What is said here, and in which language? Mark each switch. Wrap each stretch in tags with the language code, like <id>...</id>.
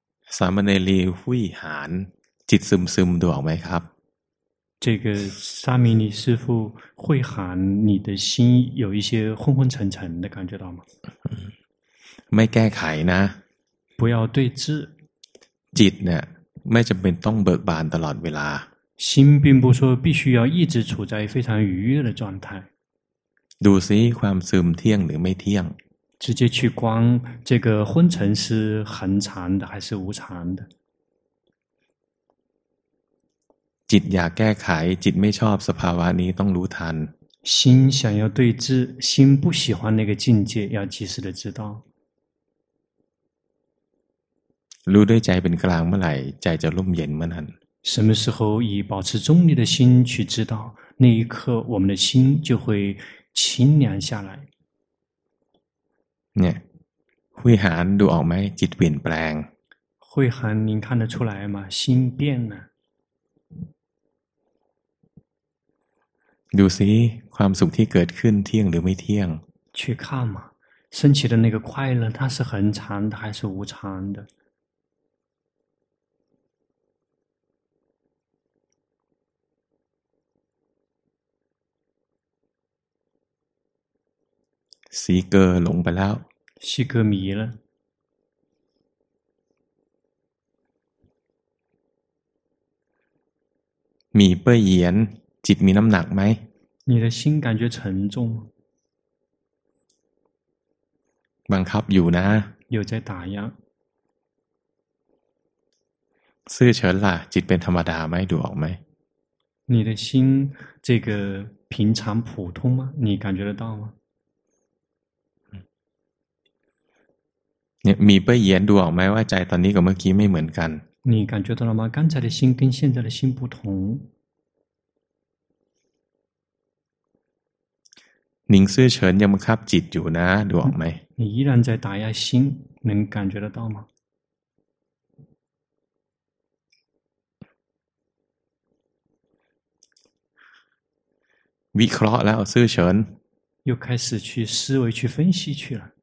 <th>สามเณรีหุยหานจิตซึมซึมดูออกไหมครับ</th> <zh>这个沙弥尼师父会喊你的心有一些昏昏沉沉的感觉到吗？</zh> <th>ไม่แก้ไขนะ</th> <zh>不要对峙</zh> <th>จิตเนี่ยไม่จำเป็นต้องเบิกบานตลอดเวลา</th> <zh>心并不说必须要一直处在非常愉悦的状态</zh> <th>ดูซิความซึมเที่ยงหรือไม่เที่ยง</th> <zh>直接去观这个昏沉是恒常的还是无常的</zh> <th>จิตอยากแก้ไขจิตไม่ชอบสภาวะนี้ต้องรู้ทัน</th> <zh>心想要对峙心不喜欢那个境界要及时的知道</zh> <th>รู้ด้วยใจเป็นกลางเมื่อไหร่ใจจะร่มเย็นเมื่อนั้น</th> <zh>什么时候以保持中立的心去知道那一刻我们的心就会清凉下来</zh> <th>เนี่ยหุยหานดูออกไหมจิตเปลี่ยนแปลง</th> <zh>หุยหาน您看得出来吗心变了</zh> <th>ดูสิความสุขที่เกิดขึ้นเที่ยงหรือไม่เที่ยง</th> <zh>去看嘛升起的那个快乐它是恒常的还是无常的</zh> <th>สีเกอหลงไปแล้ว ชีเกอมีแล้ว มีเปื่อยเหยียนจิตมีน้ำหนักไหม</th> <zh>你的心感觉沉重</zh> <th>บังคับอยู่นะ</th> <zh>有在打压</zh> <th>ซื่อเฉินล่ะจิตเป็นธรรมดาไหมดูออกไหม</th> <zh>你的心这个平常普通吗你感觉得到吗</zh> <th>มีเปื้อเหยียนดูออกไหมว่าใจตอนนี้กับเมื่อกี้ไม่เหมือนกัน</th> <zh>你感觉到了吗刚才的心跟现在的心不同</zh> <th>นิ่งซื่อเฉินยังบังคับจิตอยู่นะดูออกไหม</th> <zh>你依然在打压心能感觉得到吗</zh> <th>วิเคราะห์แล้วซื่อเฉิน</th> <zh>又开始去思维去分析去了</zh>